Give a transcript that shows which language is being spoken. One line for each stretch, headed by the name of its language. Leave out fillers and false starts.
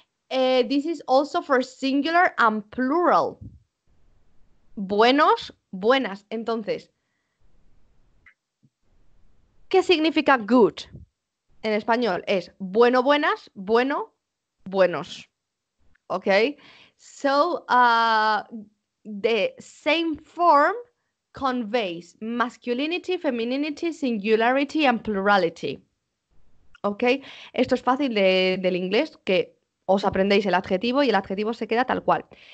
English: This is also for singular and plural.
Spanish: Buenos, buenas. Entonces, ¿qué significa good? En español es bueno, buenas, bueno, buenos.
English: Okay? So, the same form conveys masculinity, femininity, singularity and plurality. Okay?
Spanish: Esto es fácil del inglés, que os aprendéis el adjetivo y el adjetivo se queda tal cual.